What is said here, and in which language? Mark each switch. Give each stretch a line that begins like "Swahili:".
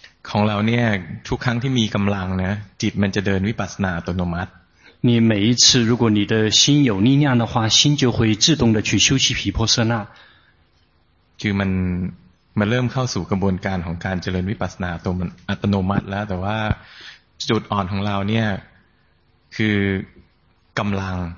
Thai: ของเราเนี่ยทุกครั้งที่มีกำลังนะจิตมันจะเดินวิปัสสนาอัตโนมัติ
Chinese: 你每一次如果你的心有力量的话心就会自动的去修习毗婆舍那
Thai: คือมันเริ่มเข้าสู่กระบวนการของการเจริญวิปัสสนาตัวมันอัตโนมัติแล้วแต่ว่าจุดอ่อนของเราเนี่ยคือกำลัง